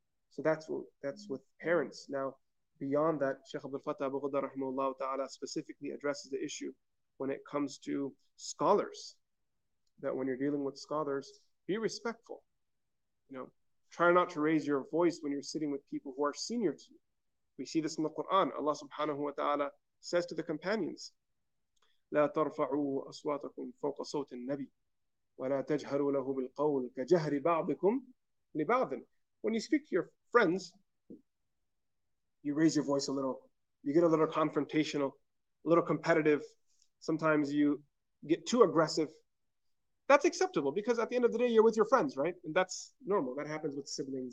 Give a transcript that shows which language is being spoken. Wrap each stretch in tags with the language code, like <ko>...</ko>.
<en>So that's with parents. Now, beyond that, Sheikh Abdul Fattah Abu Ghadah rahimahullah ta'ala specifically addresses the issue when it comes to scholars, that when you're dealing with scholars, be respectful. You know, try not to raise your voice when you're sitting with people who are senior to you. We see this in the Quran. Allah subhanahu wa ta'ala says to the companions,</en> <ar>لا ترفعوا أصواتكم فوق صوت النبي ولا تجهروا له بالقول كجهر بعضكم لبعض.</ar> <en>When you speak to your friends, you raise your voice a little. You get a little confrontational, a little competitive. Sometimes you get too aggressive. That's acceptable because at the end of the day, you're with your friends, right? And that's normal. That happens with siblings.</en>